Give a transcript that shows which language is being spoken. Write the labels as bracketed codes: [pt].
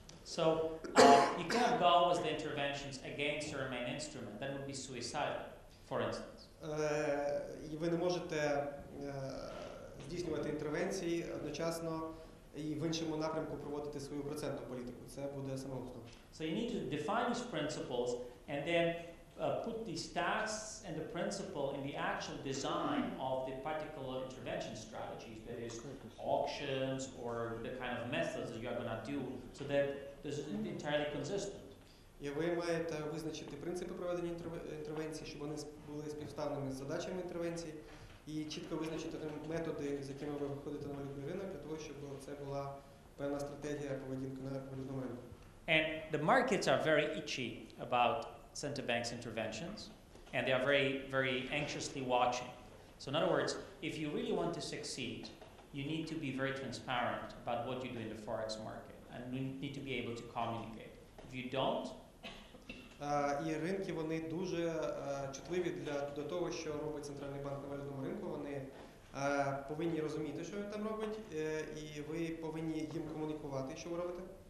[en] So, you can't go with the interventions against your main instrument. That would be suicidal, for instance. [uk] І ви не можете здійснювати інтервенції одночасно і в іншому напрямку проводити свою процентну політику. Це буде самогубство. [en] So you need to define these principles and then put these tasks and the principle in the actual design of the particular intervention strategies, that is auctions or the kind of methods that you are going to do, so that this is entirely consistent. [uk] І ви маєте визначити принципи проведення інтервенції, щоб вони були співставними з задачами інтервенції, і чітко визначити методи, з якими ви виходите на валютний ринок, для того, щоб це була певна стратегія поведінки на валютному ринку. [en] And the markets are very itchy about central bank's interventions, and they are very, very anxiously watching. So in other words, if you really want to succeed, you need to be very transparent about what you do in the forex market, and you need to be able to communicate. If you don't... [uk] І ринки, вони дуже чутливі до того, що робить центральний банк на валютному ринку. Вони повинні розуміти, що він там робить, і ви повинні їм комунікувати, що ви робите.